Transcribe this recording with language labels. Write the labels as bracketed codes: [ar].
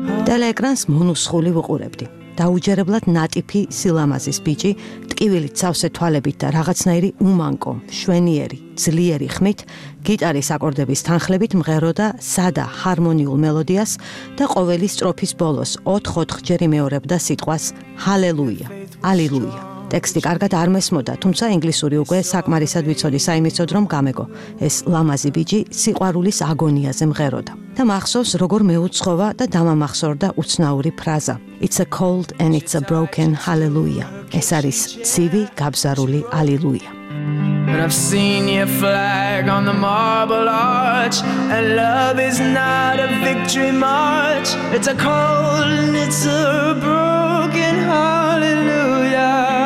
[ka] Telegrams მონუსხული ვიყურებდი. დაუჯერებლად ნატიფი სილამაზის ბიჭი, ტკივილით წავსე თვალებით და რაღაცნაირი უმანკო, შვენიერი, ძლიერი ხმით, გიტარის აკორდების თანხლებით მღეროდა სადა ჰარმონიულ მელოდიას და ყოველი სტროფის ბოლოს 4-5 ჯერ იმეორებდა სიტყვას ჰალელუია, ალილუია. ტექსტი კარგად არ მესმოდა, თუმცა ინგლისური უკვე საკმარისად ვიცოდი საიმისოდ, რომ გამეგო. ეს ლამაზი ბიჭი სიყვარულის აგონიაზე მღეროდა. და მახსოვს, როგორ მეუცხოვა და დამამახსოვრდა უცნაური ფრაზა. [en] It's a cold and it's a broken hallelujah. [ka] ეს არის ცივი, გაბზარული ალილუია. [en] But I've seen your flag on the marble arch and love is not a victory march. It's a cold and it's a broken hallelujah.